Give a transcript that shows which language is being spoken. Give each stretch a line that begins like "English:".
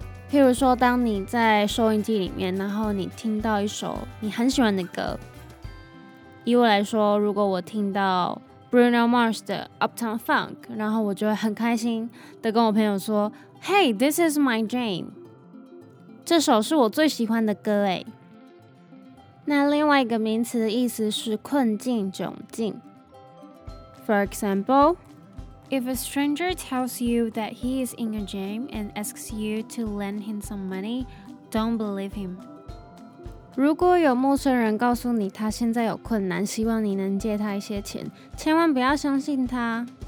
Chinese: 譬如说当你在收音机里面，然后你听到一首你很喜欢的歌，以我来说，如果我听到 Bruno Mars 的 Uptown Funk， 然后我就会很开心的跟我朋友说
English: Hey, this is my jam，
Chinese: 这首是我最喜欢的歌耶。那另外一个名词的意思是困境、窘境。
English: For example, if a stranger tells you that he is in a jam and asks you to lend him some money, don't believe him。
Chinese: 如果有陌生人告诉你他现在有困难，希望你能借他一些钱，千万不要相信他。